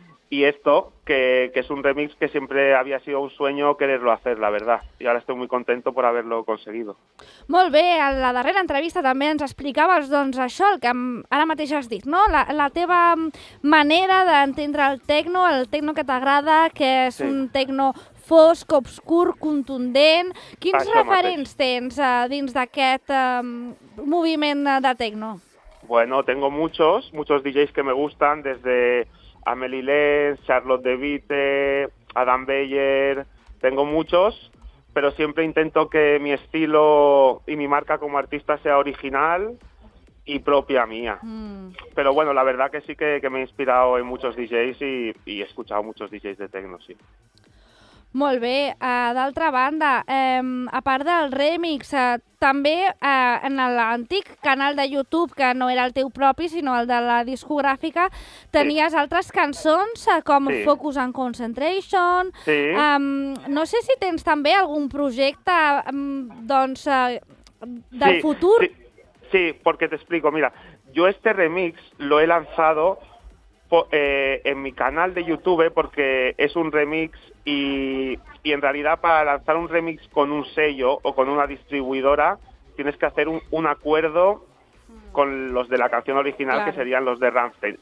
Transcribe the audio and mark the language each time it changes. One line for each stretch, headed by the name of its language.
Spanish: Y esto, que es un remix que siempre había sido un sueño quererlo hacer, la verdad. Y ahora estoy muy contento por haberlo conseguido.
Catalan: Molt bé, a la darrera entrevista també ens explicaves doncs, això, el que ara mateix has dit, no? La teva manera d'entendre el tecno que t'agrada, que és un tecno fosc, obscur, contundent. Quins això referents mateix tens dins d'aquest moviment de tecno?
Spanish: Bueno, tengo muchos DJs que me gustan, desde Amelie Lenz, Charlotte DeVite, Adam Beyer, tengo muchos, pero siempre intento que mi estilo y mi marca como artista sea original y propia mía. Pero bueno, la verdad que sí que me he inspirado en muchos DJs y he escuchado muchos DJs de techno, sí.
Catalan: Molt bé. D'altra banda, a part del remix, també en l'antic canal de YouTube, que no era el teu propi, sinó el de la discogràfica, tenies sí. altres cançons com sí. Focus and Concentration. Sí. No sé si tens també algun projecte doncs, del sí. futur. Sí, sí, perquè t'explico.
Spanish: Mira, jo este remix lo he lanzado en mi canal de YouTube porque es un remix y en realidad para lanzar un remix con un sello o con una distribuidora tienes que hacer un acuerdo con los de la canción original, claro. que serían los de Rammstein.